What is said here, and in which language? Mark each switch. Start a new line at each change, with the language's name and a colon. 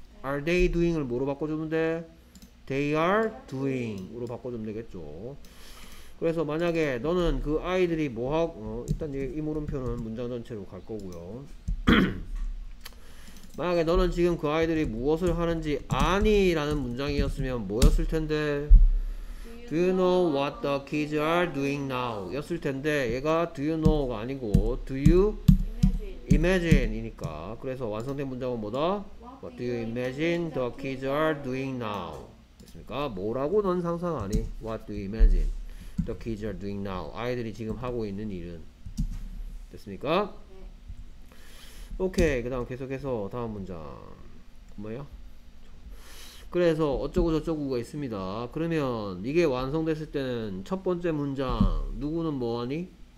English: Are they doing을
Korean: 뭐로 바꿔주면 돼?
English: They are doing으로
Korean: 바꿔주면 되겠죠. 그래서 만약에 너는 그 아이들이 뭐하고 일단 이 물음표는 문장 전체로 갈 거고요. 만약에 너는 지금 그 아이들이 무엇을 하는지 아니 라는 문장이었으면 뭐였을 텐데?
English: Do you know what the kids are doing now?
Korean: 였을 텐데 얘가
English: do you know
Korean: 가 아니고
English: do you imagine
Korean: 이니까 그래서 완성된 문장은 뭐다?
English: What do you imagine the kids are doing now?
Korean: 됐습니까? 뭐라고 넌 상상하니?
English: What do you imagine the kids are doing now?
Korean: 아이들이 지금 하고 있는 일은? 됐습니까? 오케이. 그 다음 계속해서 다음 문장. 뭐예요? 그래서 어쩌고 저쩌고가 있습니다. 그러면 이게 완성됐을 때는 첫 번째 문장 누구는 뭐하니?